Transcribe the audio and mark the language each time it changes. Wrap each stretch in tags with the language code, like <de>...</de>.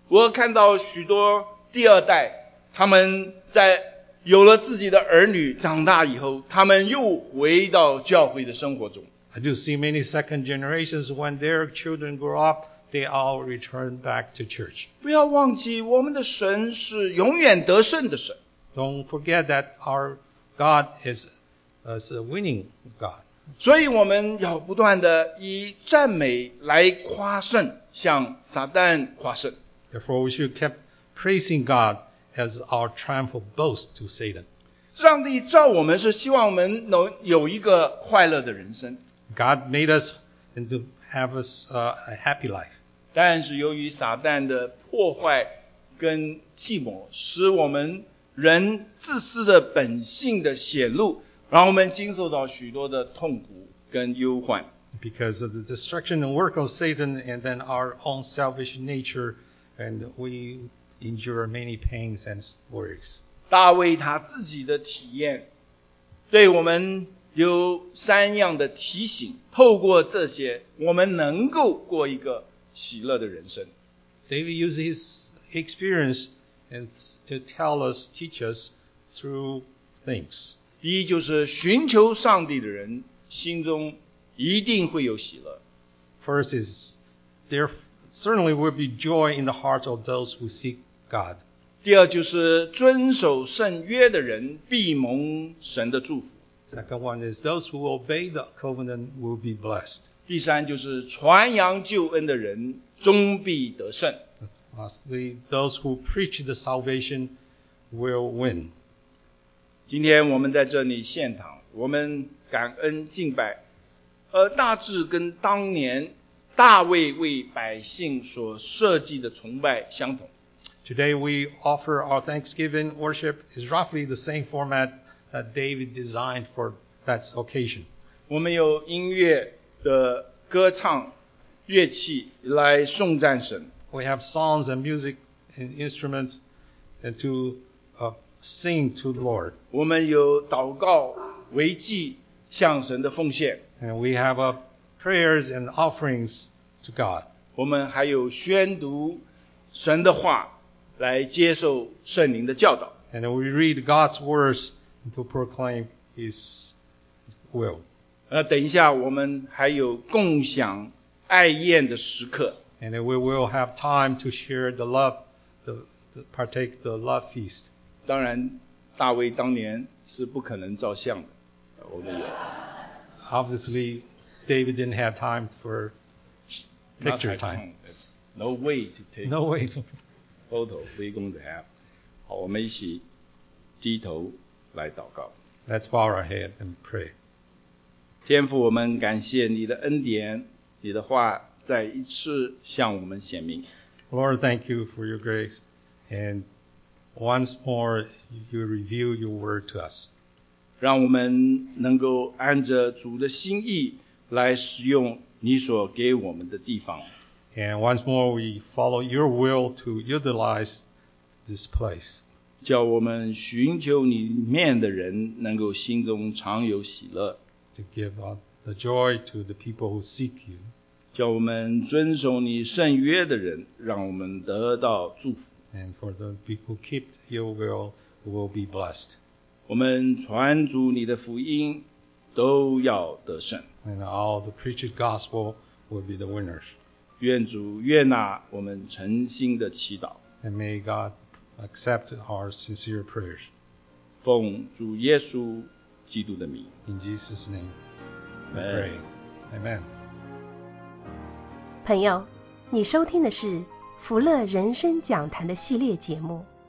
<zh>我看到许多第二代，他们在有了自己的儿女长大以后，他们又回到教会的生活中。</zh> <en>I do see many second generations when their children grow up, they all return back to church.</en> <zh>不要忘记，我们的神是永远得胜的神。</zh> <en>Don't forget that our God is a winning God.</en> <zh>所以我们要不断的以赞美来夸胜，向撒旦夸胜。</zh> <en>Therefore, we should keep praising God as our triumphal boast to Satan.</en> <zh>上帝造我们是希望我们能有一个快乐的人生。</zh> <en>God made us and to have us a happy life.</en> <zh>但是由于撒旦的破坏跟计谋，使我们人自私的本性的显露，让我们经受到许多的痛苦跟忧患。</zh> <en>Because of the destruction and work of Satan and then our own selfish nature, and we endure many pains and worries.</en> <zh>大卫他自己的体验对我们有三样的提醒，透过这些我们能够过一个喜乐的人生。</zh> <en>David used his experience and to tell us, teach us through things.</en> <zh>第一就是寻求上帝的人心中一定会有喜乐。</zh> <en>First is, there certainly will be joy in the hearts of those who seek God.</en> <zh>第二就是遵守圣约的人必蒙神的祝福。</zh> <en>Second one is, those who obey the covenant will be blessed.</en> <zh>第三就是传扬救恩的人终必得胜。</zh> <en>Lastly, those who preach the salvation will win.</en> <zh>今天我们在这里献堂，我们感恩敬拜，大致跟当年大卫为百姓所设计的崇拜相同。</zh> <en>Today we offer our thanksgiving worship is roughly the same format that David designed for that occasion.</en> <zh>我们有音乐的歌唱乐器来颂赞神。</zh> <en>We have songs and music and instruments and to sing to the Lord.</en> <zh>我们有祷告为祭向神的奉献。</zh> <en>And we have prayers and offerings to God.</en> <zh>我们还有宣读神的话来接受圣灵的教导。</zh> <en>And we read God's words to proclaim His will.</en> <zh>等一下我们还有共享爱宴的时刻。</zh> <en>And we will have time to share the love, to partake the love feast.</en> <zh>当然大卫当年是不可能照相的。我们有。</zh> <en>Obviously, David didn't have time for picture time. No way to take no way. Photo, we're going to have.</en> <zh>好，我们一起低头来祷告。</zh> <en>Let's bow our head and pray.</en> <zh>天父，我们感谢你的恩典，你的话再一次向我们显明。</zh> <en>Lord, thank you for your grace. And once more, you reveal your word to us.</en> <zh>让我们能够按着主的心意来使用你所给我们的地方。</zh> <en>And once more we follow your will to utilize this place.</en> <zh>叫我们寻求你面的人能够心中常有喜乐。</zh> <en>To give the joy to the people who seek you.</en> <zh>叫我们遵守你圣约的人让我们得到祝福。</zh> <en>And for the people who keep your will will be blessed.</en> <zh>我们传主你的福音都要得胜。</zh> <en>And all the preached gospel will be the winners.</en> <zh>愿主悦纳我们诚心的祈祷。</zh> <en>And may God accept our sincere prayers.</en> <zh>奉主耶稣基督的名。</zh> <en>In Jesus' name, we pray. Amen.</en> <zh>朋友，你收听的是福乐人生讲坛的系列节目。</zh>